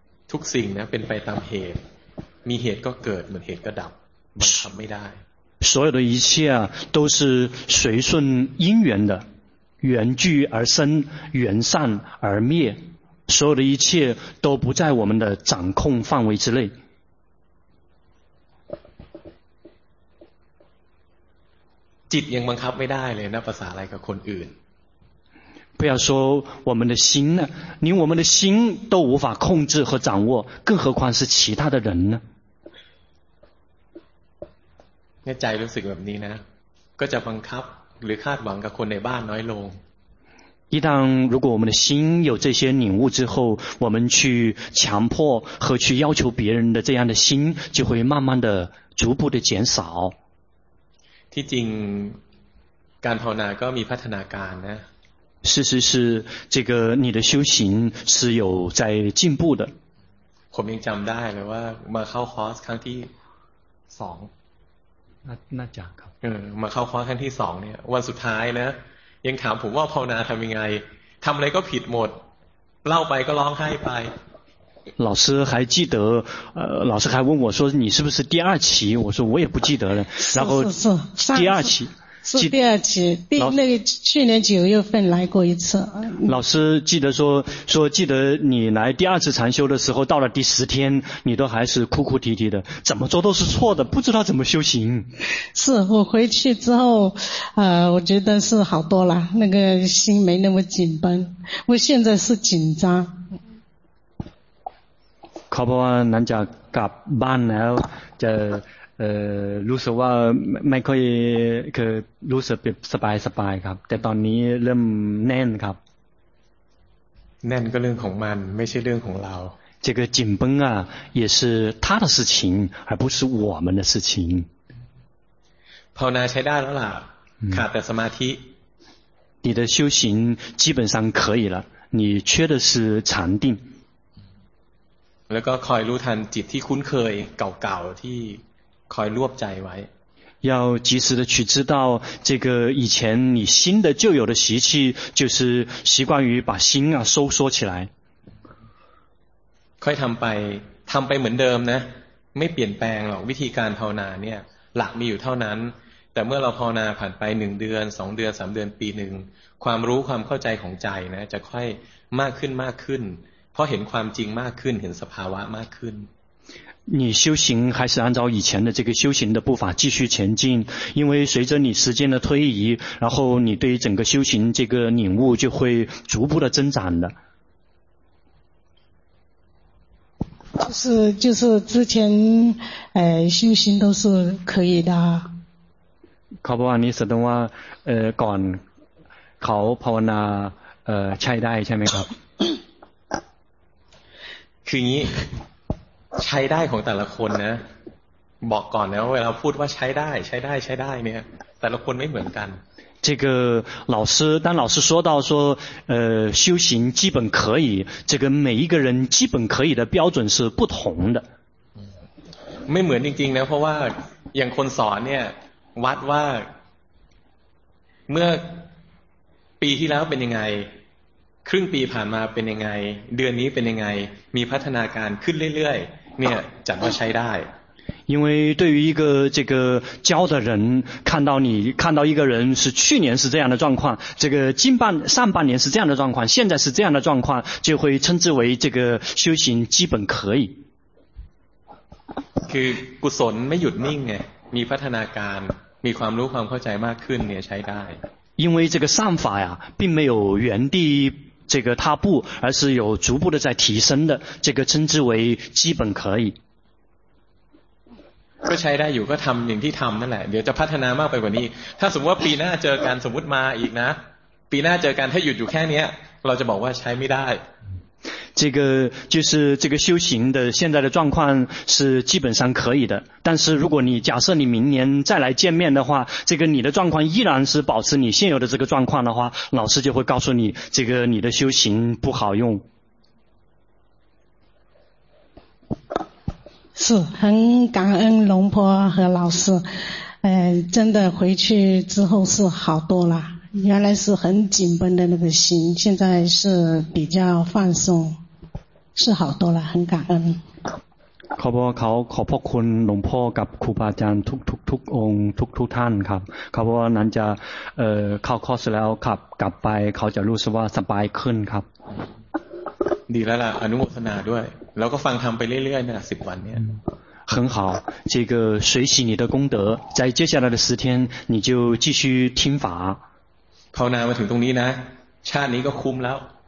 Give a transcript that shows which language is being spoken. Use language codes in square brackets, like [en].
[th] ทุกสิ่งนะเป็นไปตามเหตุมีเหตุก็เกิดเหมือนเหตุก็ดับมันทำไม่ได้ [zh] 所有的一切啊都是随顺因缘的缘聚而生缘散而灭所有的一切都不在我们的掌控范围之内 [th] จิตยังบังคับไม่ได้เลยนะภาษาอะไรกับคนอื่น [zh] 不要说我们的心呢连我们的心都无法控制和掌握更何况是其他的人呢 [th] ในใจรู้สึกแบบนี้นะก็จะบังคับหรือคาดหวังกับคนในบ้านน้อยลง [zh] 一旦如果我们的心有这些领悟之后我们去强迫和去要求别人的这样的心就会慢慢的逐步的减少 [th] ที่จริงการภาวนาก็มีพัฒนาการนะ [zh] 事实是这个你的修行是有在进步的 [th] ผมยังจำได้เลยว่ามาเข้าคอร์สครั้งที่สอง น่าจะครับ มาเข้าคอร์สครั้งที่สองเนี่ยวันสุดท้ายนะยังถามผมว่าภาวนาทำยังไงทำอะไรก็ผิดหมดเล่าไปก็ร้องไห้ไป [zh] 老师还记得老师还问我说你是不是第二期我说我也不记得了然后第二期是第二期第那个去年九月份来过一次老师记得说记得你来第二次禅修的时候到了第十天你都还是哭哭啼啼的怎么做都是错的不知道怎么修行是我回去之后我觉得是好多了那个心没那么紧绷我现在是紧张 [th] เขาบอกว่าหลังจากกลับบ้านแล้วจะรู้สึกว่าไม่ค่อยคือรู้สึกสบายครับแต่ตอนนี้เริ่มแน่นครับ แน่นก็เรื่องของมันไม่ใช่เรื่องของเรา [zh] 这个紧绷啊也是他的事情而不是我们的事情 [th] ภาวนาใช้ได้แล้วล่ะขาดแต่สมาธิ [zh] 你的修行基本上可以了你缺的是禅定 [th] แล้วก็คอยรู้ทันจิตที่คุ้นเคยเก่าๆที่คอยรวบใจไว้ [zh] 要及时的去知道这个以前你新的旧有的习气就是习惯于把心啊收缩起来 [th] ค่อยทำไปเหมือนเดิมนะไม่เปลี่ยนแปลงหรอกวิธีการภาวนาเนี่ยหลักมีอยู่เท่านั้นแต่เมื่อเราภาวนาผ่านไป1เดือน2เดือน3เดือนปีนึงความรู้ความเข้าใจของใจนะจะค่อยมากขึ้นมากขึ้นเพราะเห็นความจริงมากขึ้นเห็นสภาวะมากขึ้น [zh] 你修行还是按照以前的这个修行的步伐继续前进因为随着你时间的推移然后你对整个修行这个领悟就会逐步的增长的就是之前修行都是可以的考不完你是等我管考跑完了下一代下面考 [th] คืองี้ใช้ได้ของแต่ละคนนะบอกก่อนนะเวลาพูดว่าใช้ได้เนี่ยแต่ละคนไม่เหมือนกัน [zh] 这个老师当老师说到说修行基本可以这个每一个人基本可以的标准是不同的 [th] ไม่เหมือนจริงๆนะเพราะว่าอย่างคนสอนเนี่ยวัดว่าเมื่อปีที่แล้วเป็นยังไงครึ่งปีผ่านมาเป็นยังไงเดือนนี้เป็นยังไงมีพัฒนาการขึ้นเรื่อยๆเนี่ยจัดว่าใช้ได้ [zh] 因为对于一个这个教的人看到一个人是去年是这样的状况这个上半年是这样的状况现在是这样的状况就会称之为这个修行基本可以 [th] คือกุศลไม่หยุดนิ่งไงมีพัฒนาการมีความรู้ความเข้าใจมากขึ้นเนี่ยใช้ได้ [zh] 因为这个善法呀并没有原地这个踏步而是有逐步的在提升的这个称之为基本可以 [th] ก็ใช้ได้อยู่ก็ทำอย่างที่ทำนั่นแหละเดี๋ยวจะพัฒนามากไปกว่านี้ถ้าสมมติว่าปีหน้าเจอกันสมมติมาอีกนะปีหน้าเจอกันถ้าหยุดอยู่แค่นี้เราจะบอกว่าใช้ไม่ได้ [zh] 这个就是这个修行的现在的状况是基本上可以的但是如果你假设你明年再来见面的话这个你的状况依然是保持你现有的这个状况的话老师就会告诉你这个你的修行不好用是很感恩龙婆和老师，真的回去之后是好多了，原来是很紧绷的那个心，现在是比较放松，是好多了，很感恩。 [th] ขอบอกเขาขอบพระคุณหลวงพ่อกับครูบาอาจารย์ทุกองค์ทุกท่านครับเขาบอกว่านั้นจะเข้าคอร์สแล้วครับกลับไปเขาจะรู้สึกว่าสบายขึ้นครับ ดีแล้วล่ะอนุโมทนาด้วยแล้วก็ฟังธรรมไปเรื่อยๆนะ10วันเนี่ย [zh] 很好这个随喜你的功德在接下来的10天你就继续听法 [th] ภาวนามาถึงตรงนี้นะชาตินี้ก็คุ้มแล้ว